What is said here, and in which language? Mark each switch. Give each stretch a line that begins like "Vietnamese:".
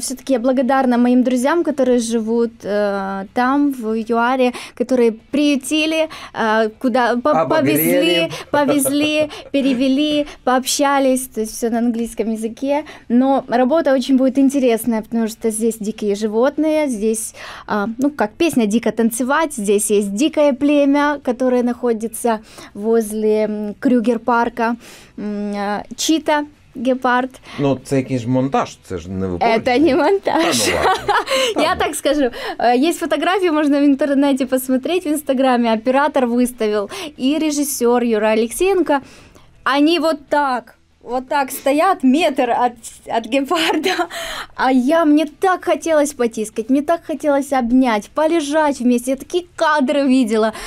Russian: Но все-таки я благодарна моим друзьям, которые живут там, в ЮАРе, которые приютили, куда повезли, перевели, пообщались, то есть все на английском языке. Но работа очень будет интересная, потому что здесь дикие животные, здесь, ну, как песня «Дико танцевать», здесь есть дикое племя, которое находится возле Крюгер-парка, чита, гепард.
Ukrainian: Ну, це якийсь монтаж, це ж не виходить.
Russian: Это не монтаж. Я так скажу. Есть фотографии, можно в интернете посмотреть, в Инстаграме. Оператор выставил и режиссер Юра Алексеенко. Они вот так. Вот так стоят метр от гепарда, а мне так хотелось потискать, мне так хотелось обнять, полежать вместе, я такие кадры видела.